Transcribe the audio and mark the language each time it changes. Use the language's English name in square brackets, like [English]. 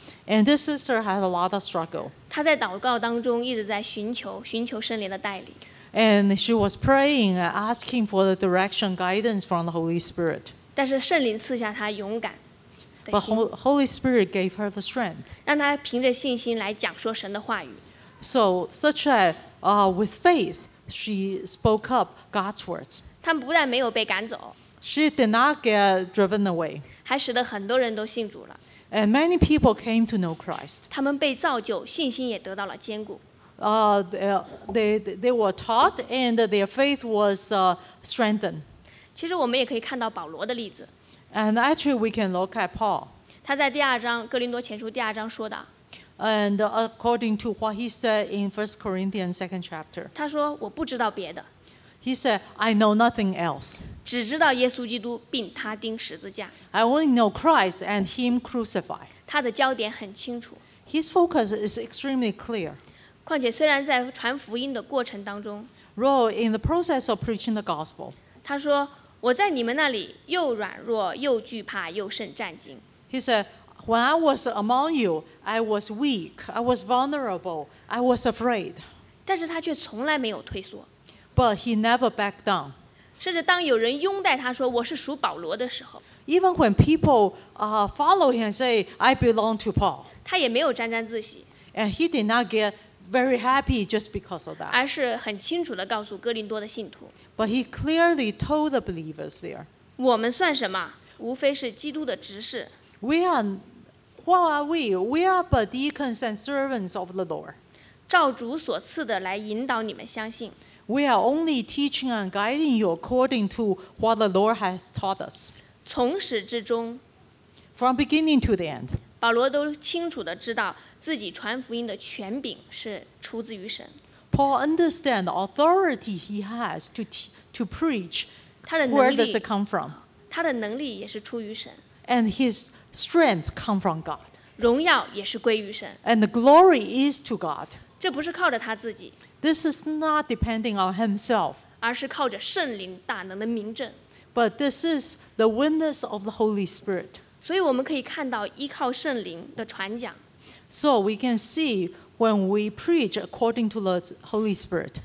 [English] And this sister had a lot of struggle. [Chinese] 她在祷告当中一直在寻求圣灵的带领。 [English] And she was praying, asking for the direction, guidance from the Holy Spirit. [Chinese] 但是圣灵赐下她勇敢的心。 [English] But Holy Spirit gave her the strength. [Chinese] 让她凭着信心来讲说神的话语。 [English] So such that, with faith, she spoke up God's words. [Chinese] 她不但没有被赶走。 [English] She did not get driven away. [Chinese] 还使得很多人都信主了。 [English] And many people came to know Christ. [Chinese] 他们被造就，信心也得到了坚固。 [English] They were taught and their faith was strengthened. [Chinese] 其实我们也可以看到保罗的例子。 [English] And actually, we can look at Paul. [Chinese] 他在第二章哥林多前书第二章说的。 [English] And according to what he said in 1 Corinthians 2nd chapter. [Chinese] 他说我不知道别的。 [English] He said, "I know nothing else." [Chinese] 只知道耶稣基督并他钉十字架。 [English] I only know Christ and Him crucified. [Chinese] 他的焦点很清楚。 [English] His focus is extremely clear. [Chinese] 况且虽然在传福音的过程当中 [English] ，Role in the process of preaching the gospel. [Chinese] 他说，我在你们那里又软弱又惧怕又甚战惊。 [English] He said, "When I was among you, I was weak, I was vulnerable, I was afraid." [Chinese] 但是他却从来没有退缩。 [English] But he never backed down. [Chinese] 甚至当有人拥戴他说我是属保罗的时候 [English] ，Even when people follow him and say I belong to Paul, [Chinese] 他也没有沾沾自喜 [English] ，and he did not get very happy just because of that. [Chinese] 而是很清楚地告诉哥林多的信徒 [English] ，But he clearly told the believers there. [Chinese] 我们算什么？无非是基督的执事。 [English] We are, what are we? We are but deacons and servants of the Lord. [Chinese] 照主所赐的来引导你们相信。 [English] We are only teaching and guiding you according to what the Lord has taught us. [Chinese] 从始至终 [English] From beginning to the end. [Chinese] 保罗都清楚地知道自己传福音的权柄是出自于神。 [English] Paul understands the authority he has to preach. [Chinese] 他的能力 [English] Where does it come from? [Chinese] 他的能力也是出于神。 [English] And his strength comes from God. [Chinese] 荣耀也是归于神。 [English] And the glory is to God. [Chinese] 这不是靠着他自己。 [English] This is not depending on himself, [Chinese] 而是靠着圣灵大能的明证。 [English] But this is the witness of the Holy Spirit. [Chinese] 所以我们可以看到依靠圣灵的传讲。 [English] So we can see when we preach according to the Holy Spirit,